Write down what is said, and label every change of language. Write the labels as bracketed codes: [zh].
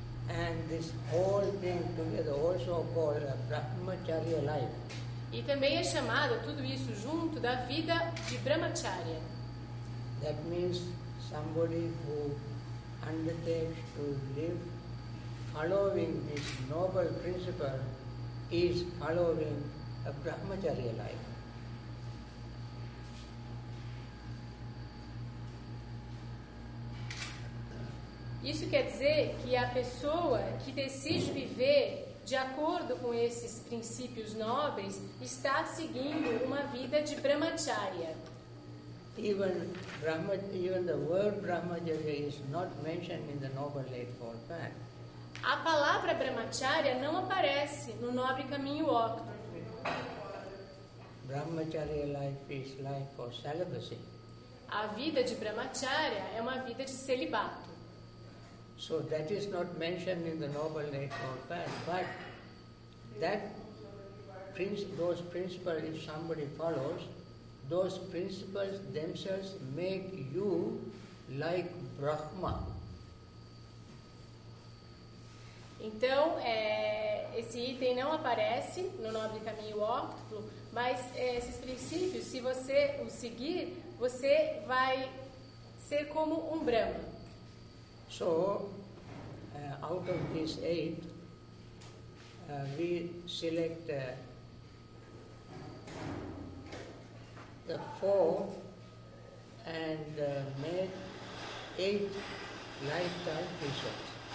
[en] And this whole thing together also called a brahmacharya life. [pt] E também é chamado tudo isso junto da vida de brahmacharya. [en] That means somebody who undertakes to live following this noble principle is following a brahmacharya life. [pt] Isso quer dizer que a pessoa que decide viver de acordo com esses princípios nobres está seguindo uma vida de brahmacharya. [en] Even the word brahmacharya is not mentioned in the Noble Eightfold Path. [pt] A palavra brahmacharya não aparece no nobre caminho óctuplo. [en] Brahmacharya life is life for celibacy. [pt] A vida de brahmacharya é uma vida de celibato. [en] So that is not mentioned in the Noble Eightfold Path, but that those principles, if somebody follows, those principles themselves make you like Brahma. [pt] Então, esse item não aparece no Nobre Caminho Óctuplo, mas esses princípios, se você os seguir, você vai ser como Brahma. [en] So, out of these eight, we select the four and make eight lifetime precepts.